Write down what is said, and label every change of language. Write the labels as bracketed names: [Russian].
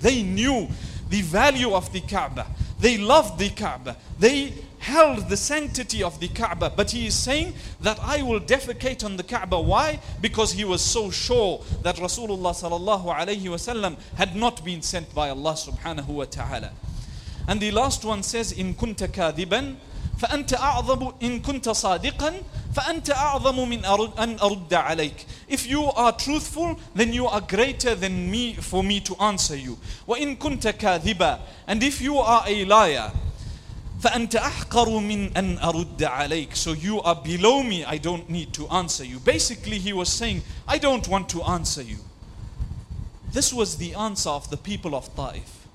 [English] They knew the value of the Kaaba. They loved the Kaaba. They held the sanctity of the Kaaba. But he is saying that I will defecate on the Kaaba. Why? Because he was so sure that Rasulullah sallallahu alayhi wa sallam had not been sent by Allah subhanahu wa ta'ala. And the last one says, [Arabic] إِن كُنْتَ كَاذِبًا فَأَنْتَ أَعْظَمُ إِن كُنْتَ صَادِقًا فَأَنْتَ أَعْظَمُ مِنْ أَنْ أَرُدَّ عَلَيْكَ. [English] If you are truthful, then you are greater than me for me to answer you. [Arabic] وَإِن كُنْتَ كَاذِبًا. [English] And if you are a liar, [Arabic] فَأَنْتَ أَحْقَرُ مِنْ أَنْ أَرُدَّ عَلَيْكَ. [English] So you are below me, I don't need to answer you. Basically he was saying, I don't want to answer you. This was the answer of the people of Ta'if.